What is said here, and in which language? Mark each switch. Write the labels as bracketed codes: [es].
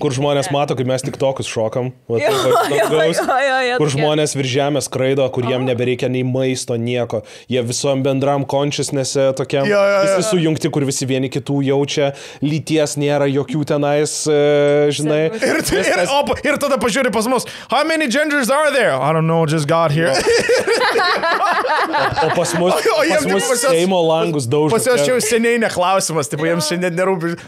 [lt] Kur žmonės mato, kaip mes tik tokius šokam. Kur žmonės virš žemės kraido, kur jiem nebereikia nei maisto, nieko. Jie visom bendram consciousness'e tokiam, visi sujungti, kur visi vieni kitų jaučia. Lyties nėra jokių tenais, žinai. Ir tada pažiūri pas mus. [en] How many genders are there? I don't know, just got here. [lt] O pas mus, Seimo langus daužo. Pas jau čia seniai neklausimas, tipo, jiems šiandien nerūpi.